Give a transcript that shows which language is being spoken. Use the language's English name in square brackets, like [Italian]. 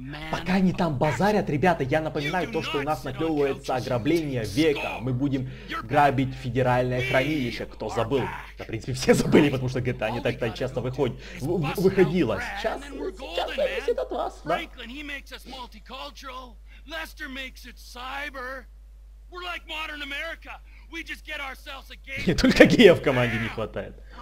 [Russian] Пока они там базарят, ребята, я напоминаю то, что у нас наклевывается ограбление века. Мы будем грабить федеральное хранилище. Кто забыл? Да, в принципе, все забыли, потому что GTA не так-то часто выходило. Сейчас зависит от вас, да? [English] Franklin, he makes us multicultural. Lester makes it cyber. We're like modern America. We just get ourselves a game. [Russian] Не только гея в команде не хватает.